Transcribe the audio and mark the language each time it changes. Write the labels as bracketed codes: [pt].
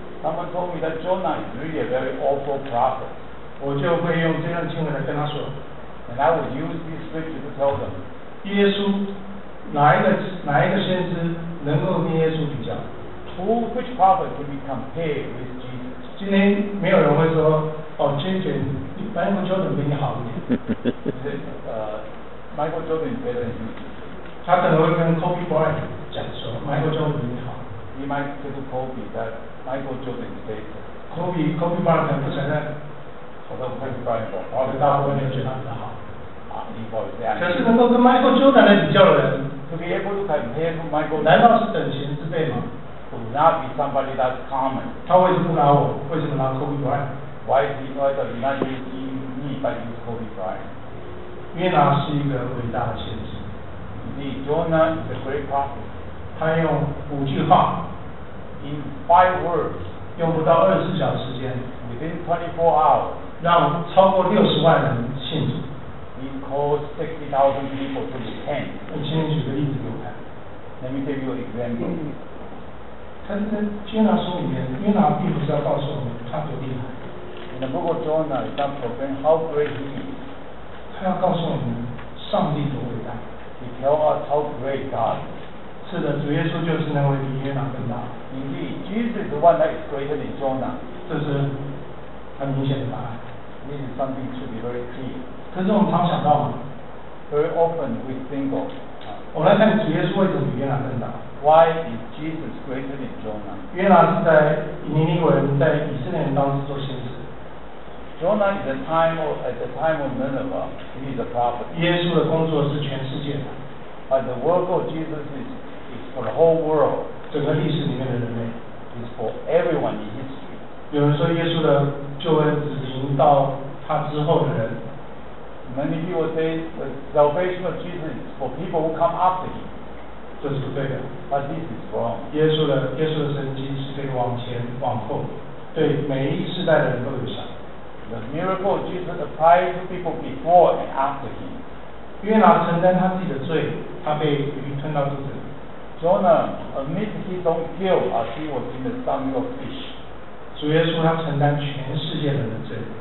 [en] Someone told me that Jonah is really a very awful prophet。 [zh] 我就会用这样的经文来跟他说 [en] ，And I would use this scripture to tell them， [zh] 耶稣。哪一个先知能够跟耶稣比较 [en] ？Who which prophet can be compared with Jesus？ [zh] 今天没有人会说哦 ，Jordan， Michael Jordan 比你好一点。 [en] Michael Jordan is better than you。 [zh] 他可能会跟 Kobe Bryant 讲说 ，Michael Jordan 比你好。 [en] He might say to Kobe that Michael Jordan is better。 [zh] Kobe Bryant 可能不承认，好像 Kobe Bryant 说，我大部分人觉得他好。可是能够跟 Michael Jordan 来比较的人 [en] ，to be able to compare to Michael， [zh] 难道是等闲之辈吗 [en] ？Would not be somebody that's common。 [zh] 他为什么不拿我？为什么拿 Kobe Bryant？ [en] Why is he not using me but using Kobe Bryant？ [zh] 约拿是一个伟大的先知。 [en] Indeed, Jonah is a great prophet。 [zh] 他用五句话 [en] ，in five words， [zh] 用不到24小时时间 [en] ，within 24 hours， [zh] 让超过600,000人信主。 [en] He calls 60,000 people to repent. [zh] 我今天举个例子给我看。 [en] Let me give you an example. [zh] 他在约拿书里面，约拿并不是要告诉我们他多厉害。 [en] In the book of Jonah, it's not proclaiming how great he is. [zh] 他要告诉我们上帝多伟大。 [en] He tells us how great God. [zh] 是的，主耶稣就是那位比约拿更大。 [en] Indeed, Jesus is the one that is greater than Jonah. [zh] 这是很明显的答案。 [en] This is something to be very clear. [zh] 可是我们常想到 [en] ，very often we think of， [zh] 我们来看主耶稣为什么比约拿更大 [en] ？Why is Jesus greater than Jonah？ [zh] 约拿是在尼尼微人，在以色列人当中做先知。 [en] Jonah is at the time of Nineveh, he is a prophet. [zh] 耶稣的工作是全世界的 [en] ，but the work of Jesus is for the whole world. [zh] 整个历史里面的人类 [en] ，is for everyone in history. [zh] 有人说耶稣的救恩只行到他之后的人。 [en] Many people say the salvation of Jesus is for people who come after him. [zh] 这是不对的。 [en] But this is wrong. [zh] 耶稣的神迹是可以往前往后，对每一世代的人都有效。 [en] The miracle of Jesus applies to people before and after him. [zh] 约拿承担他自己的罪，他被鱼吞到肚子里。 [en] Jonah admitted his own guilt as he was in the stomach of fish. [zh] 主耶稣他承担全世界人的罪。